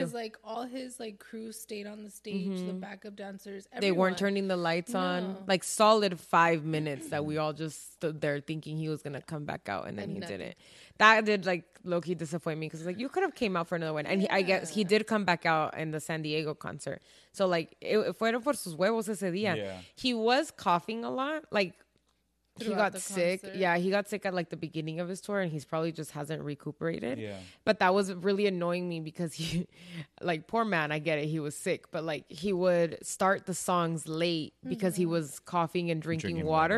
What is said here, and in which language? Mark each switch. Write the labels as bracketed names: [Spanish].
[English] Because, like, all his, like, crew stayed on the stage, the backup dancers, everyone. They weren't turning the lights on. Like, solid 5 minutes that we all just stood there thinking he was going to come back out, and then he didn't. That did, like, low-key disappoint me, because, like, you could have came out for another one. And I guess he did come back out in the San Diego concert. [Spanish] So, like, fueron por sus huevos ese día. [English] Yeah. He was coughing a lot. Like, throughout he got sick. Concert. Yeah, he got sick at, like, the beginning of his tour, and he's probably just hasn't recuperated. Yeah. But that was really annoying me because he, like, poor man, I get it, he was sick. But, like, he would start the songs late because he was coughing and drinking water.